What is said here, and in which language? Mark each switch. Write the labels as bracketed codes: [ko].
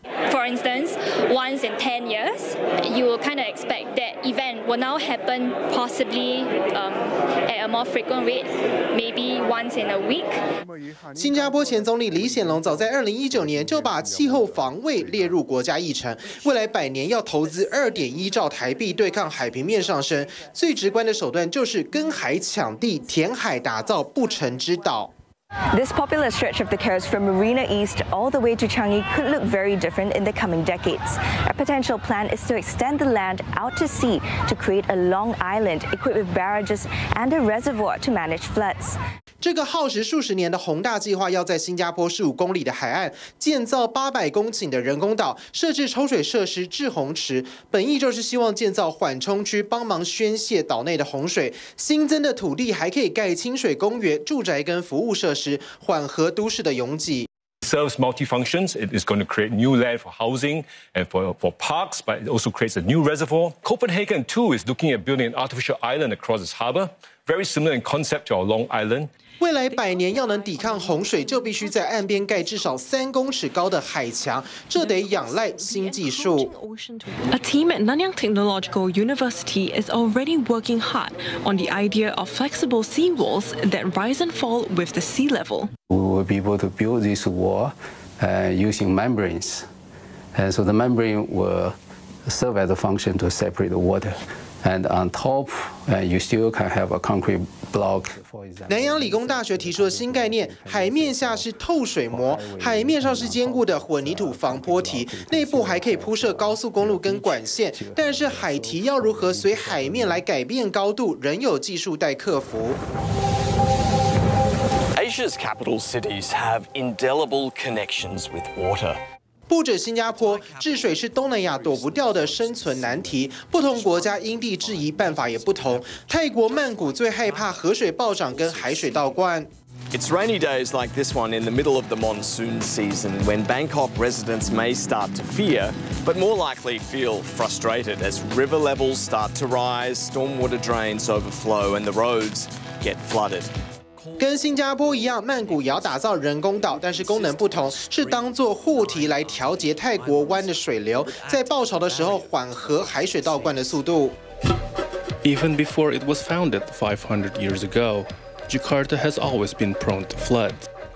[en] For instance, once in 10 years, you will kind of expect that event will now happen possibly at a more frequent rate, maybe once in a week. [zh] 新加坡前总理李显龙早在2019年就把气候防卫列入国家议程，未来百年要投资2.1兆台币对抗海平面上升，最直观的手段就是跟海抢地，填海打造不成之岛。 [en] This popular stretch of the coast from Marina East all the way to Changi could look very different in the coming decades. A potential plan is to extend the land out to sea to create a long island equipped with barrages and a reservoir to manage floods. [zh] 这个耗时数十年的宏大计划要在新加坡15公里的海岸建造800公顷的人工岛，设置抽水设施制洪池，本意就是希望建造缓冲区，帮忙宣泄岛内的洪水。新增的土地还可以盖清水公园、住宅跟服务设施。缓和都市的拥挤。 [en] Serves multifunctions. It is going to create new land for housing and for parks, but it also creates a new reservoir. Copenhagen too is looking at building an artificial island across its harbour, very similar in concept to our Long Island. [zh] 未来百年要能抵抗洪水，就必须在岸边盖至少3公尺高的海墙，这得仰赖新技术。 [en] A team at Nanyang Technological University is already working hard on the idea of flexible sea walls that rise and fall with the sea level. Be able to build this wall using membranes. And so the membrane will serve as a function to separate the water. And on top, you still can have a concrete. [zh] 南洋理工大学提出的新概念，海面下是透水膜，海面上是坚固的混凝土防波堤，内部还可以铺设高速公路跟管线，但是海堤要如何随海面来改变高度，仍有技术待克服。 [en] Asia's capital cities have indelible connections with water. [zh] 不止新加坡，治水是东南亚躲不掉的生存难题，不同国家因地制宜，办法也不同。泰国曼谷最害怕河水暴涨跟海水倒灌。 [en] It's rainy days like this one in the middle of the monsoon season when Bangkok residents may start to fear, but more likely feel frustrated as river levels start to rise, stormwater drains overflow, and the roads get flooded. [zh] 跟新加坡一样，曼谷也要打造人工岛，但是功能不同，是当作护堤来调节泰国湾的水流，在暴潮的时候缓和海水倒灌的速度。 [en] Even before it was founded 500 years ago, Jakarta has always been prone to floods.